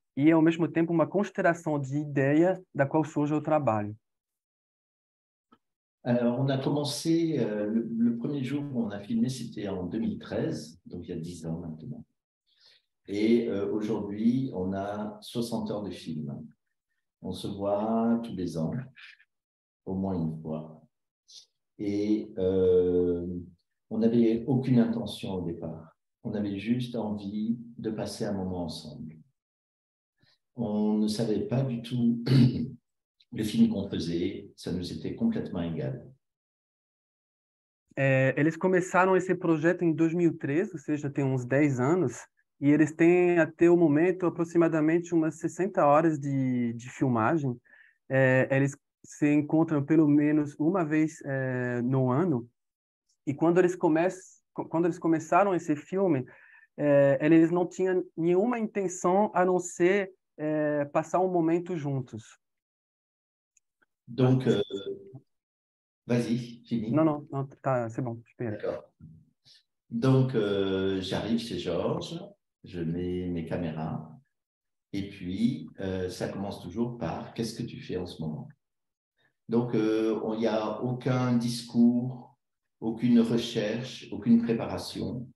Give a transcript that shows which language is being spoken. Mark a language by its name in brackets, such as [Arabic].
[Portuguese] E ao mesmo tempo uma constelação de ideia da qual surge o trabalho. [French] Alors, on a commencé le premier jour où on a filmé, c'était en 2013, donc il y a 10 ans maintenant. Et aujourd'hui, on a 60 heures de film. On se voit tous les ans, au moins une fois. Et on n'avait aucune intention au départ. On avait juste envie de passer un moment ensemble. On ne savait pas du tout. Le film qu'on faisait, ça nous était complètement égal. [Portuguese] Eles começaram esse projeto em 2013, ou seja, tem uns 10 anos, e eles têm até o momento aproximadamente umas 60 horas de filmagem. Eles se encontram pelo menos uma vez no ano, e quando eles começaram esse filme, eles não tinham nenhuma intenção a não ser passar um momento juntos. [French] Donc, vas-y, Non, finis. non, non, tá, c'est bon, super. D'accord. Donc, j'arrive chez Georges, je mets mes caméras, et puis, ça commence toujours par qu'est-ce que tu fais en ce moment? Donc, il n'y a aucun discours, aucune recherche, aucune préparation.